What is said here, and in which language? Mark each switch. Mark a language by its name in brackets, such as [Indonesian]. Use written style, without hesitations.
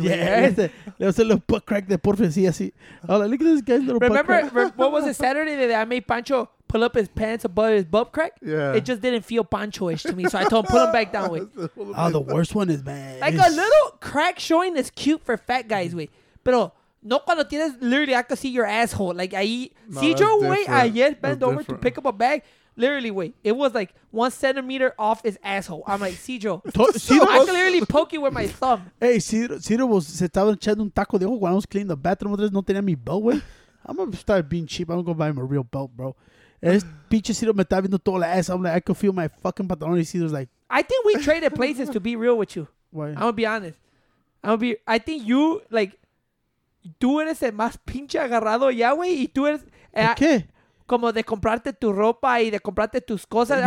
[Spanish] Yeah, le hace el [English] little butt crack [Spanish] de Porfi así. [English] Oh, look at this guy's little butt crack. Remember, what was it, Saturday that I made Pancho pull up his pants above his butt crack? Yeah. It just didn't feel Pancho-ish to me, so I told him, pull him back down, wait. Oh, the worst one is bad. Like a little crack showing is cute for fat guys, wait. [Spanish] Pero no cuando tienes, [English] literally, I could see your asshole. Like, I eat. No, see, Joe, wait, I yet bend over different. To pick up a bag. Literally, wait. It was like 1 centimeter off his asshole. I'm like, see, Joe. Cedro, I clearly poke you with my thumb. Hey, Cedro was, [Spanish] se estaba echando un taco de ojo [English] cuando I was cleaning the bathroom. [Spanish] Otra vez no tenía mi belt, wey. [English] I'm going to start being cheap. I'm going to go buy him a real belt, bro. [Spanish] Es pinche Cedro me está viendo todo la ass. [English] I'm like, I could feel my fucking pantalón. Cedro's like. I think we traded places to be real with you. Why? I'm going to be honest. I think you, like. [Spanish] Tú eres el más pinche agarrado ya, güey. Y tú eres... ¿Qué? Como de comprarte tu ropa y de comprarte tus cosas.